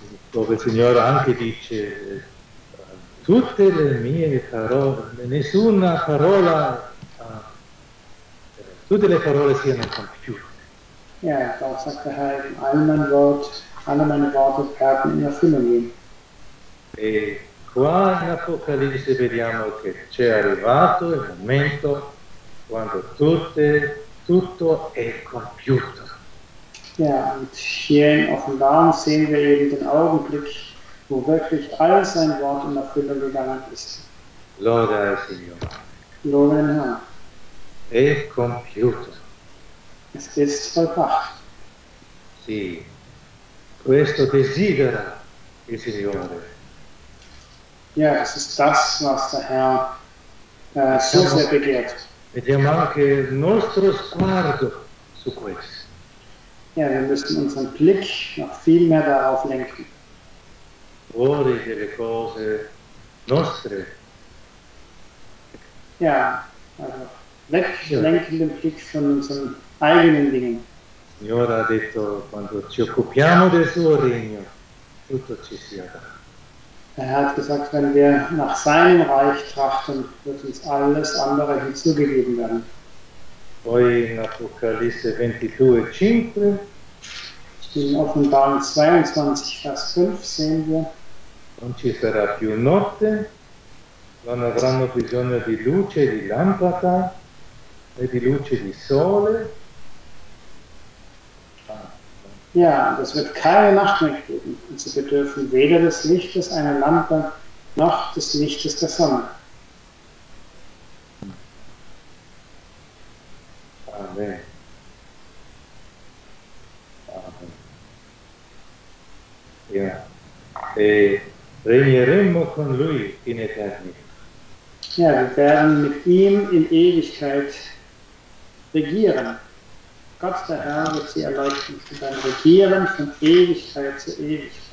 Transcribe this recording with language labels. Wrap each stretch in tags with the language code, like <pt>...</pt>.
<it>Dove il Signore anche dice, tutte le mie parole, nessuna parola, tutte le parole siano compiute.</it> <de>Ja, da sagt der Herr, alle meine Worte werden in Erfüllung gehen.</de> <it>E qua in Apocalisse vediamo che c'è arrivato il momento quando tutto è compiuto.</it> <de>Ja, und hier in Offenbarung sehen wir eben den Augenblick, wo wirklich all sein Wort in Erfüllung gegangen ist.</de> <it>Lode al Signore. Lode al</it> <de>Herr.</de> <it>È compiuto.</it> <de>Es ist vollbracht.</de> <it>Sì. Questo desidera il Signore.</it> <de>Ja, es ist das, was der Herr so sehr begehrt.</de> <it>Vediamo anche il nostro sguardo su questo.</it> <de>Ja, wir müssen unseren Blick noch viel mehr darauf lenken.</de> <it>Fuori delle cose nostre.</it> <de>Ja, also weglenken den Blick von unseren eigenen Dingen.</de> <it>Signore ha detto, quando ci occupiamo del suo regno, tutto ci sia dato.</it> <de>Er hat gesagt, wenn wir nach seinem Reich trachten, wird uns alles andere hinzugegeben werden.</de> <it>Poi in Apocalisse 22, 5.</it> <de>In Offenbarung 22, Vers 5 sehen wir.</de> <it>Non ci sarà più notte, non avranno bisogno di luce, di lampada e di luce di sole.</it> <de>Ja, es wird keine Nacht mehr geben. Und sie bedürfen weder des Lichtes einer Lampe noch des Lichtes der Sonne. Amen. Amen. Ja.</de> <it>E regneremo con lui in eternità.</it> <de>Ja, wir werden mit ihm in Ewigkeit regieren. Gott, der Herr, wird sie erleuchten und dann regieren von Ewigkeit zu Ewigkeit.</de>